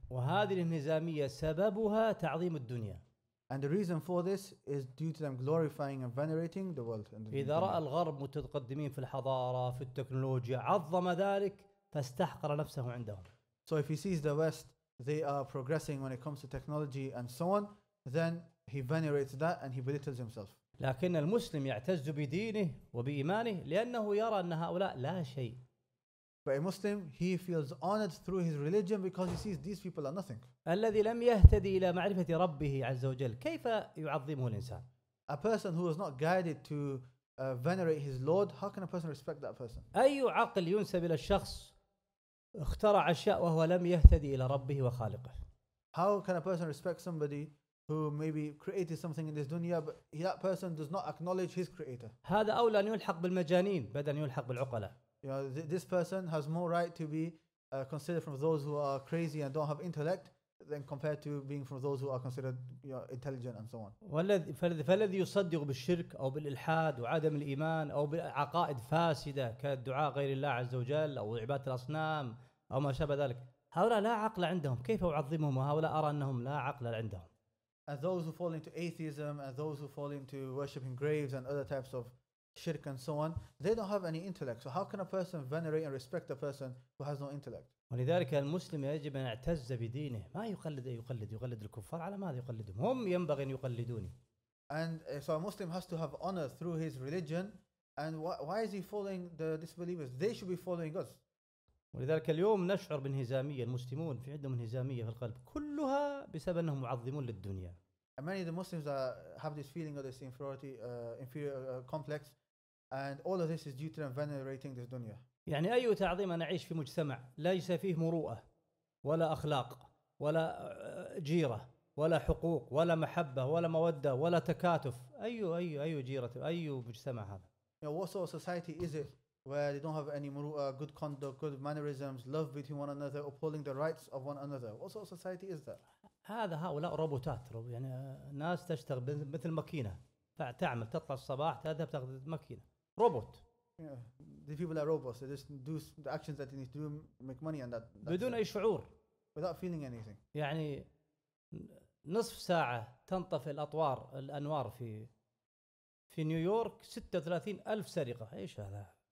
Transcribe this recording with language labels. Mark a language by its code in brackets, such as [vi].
[ar] وهذه الانهزامية سببها تعظيم الدنيا. [en] And the reason for this is due to them glorifying and venerating the world. [ar] إذا رأى الغرب متقدمين في الحضارة في التكنولوجيا عظم ذلك فاستحقر نفسه عندهم. [en] So if he sees the West, they are progressing when it comes to technology and so on, then he venerates that and he belittles himself. [ar] لكن المسلم يعتز بدينه وبإيمانه لأنه يرى أن هؤلاء لا شيء. [en] But a Muslim, he feels honored through his religion because he sees these people are nothing. [ar] الذي لم يهتدي إلى معرفة ربه عز وجل كيف يعظمه الإنسان؟ [en] A person who was not guided to venerate his Lord, how can a person respect that person? [ar] أي عقل ينسب إلى الشخص اخترع أشياء وهو لم يهتدي إلى ربه وخالقه؟ [en] How can a person respect somebody who maybe created something in this dunya, but that person does not acknowledge his creator. [ar] هذا أولى أن يلحق بالمجانين بدل أن يلحق بالعقلاء. [en] You know, this person has more right to be considered from those who are crazy and don't have intellect than compared to being from those who are considered, you know, intelligent and so on. [ar] فالذي يصدق بالشرك أو بالإلحاد وعدم الإيمان أو بعقائد فاسدة كالدعاء غير الله عز وجل أو عبادة الأصنام أو ما شابه ذلك، هؤلاء لا عقل عندهم، كيف أعظمهم؟ وهؤلاء أرى أنهم لا عقل عندهم. [en] And those who fall into atheism and those who fall into worshipping graves and other types of shirk and so on, they don't have any intellect. So how can a person venerate and respect a person who has no intellect? [ar] ولذلك المسلم يجب أن يعتز بدينه. ما يقلد يقلد الكفار على ماذا يقلدهم؟ هم ينبغي أن يقلدوني. [en] And so a Muslim has to have honor through his religion. And why is he following the disbelievers? They should be following us. [ar] ولذلك اليوم نشعر بانهزامية، المسلمون في عندهم انهزامية في القلب كلها بسبب أنهم معظمون للدنيا. [en] Many of the Muslims have this feeling of this inferiority, inferior complex, and all of this is due to them venerating this dunya. [ar] يعني أي تعظيم أن أعيش في مجتمع ليس فيه مروءة ولا أخلاق ولا جيرة ولا حقوق ولا محبة ولا مودة ولا تكاتف، أي جيرة أي مجتمع هذا؟ [en] Yeah, what sort of society is it where they don't have any muru'ah, good conduct, good mannerisms, love between one another, upholding the rights of one another? What sort of society is that? [ar] هذا هؤلاء روبوتات، يعني ناس تشتغل مثل ماكينة، تعمل تطلع الصباح تذهب تأخذ ماكينة، روبوت. [en] The people are robots. They just do the actions that they need to do, make money, and that. [ar] بدون أي شعور. [en] Without feeling anything. [ar] يعني نصف ساعة تنطفئ الأطوار الأنوار في نيويورك 36,000 سرقة، إيش هذا؟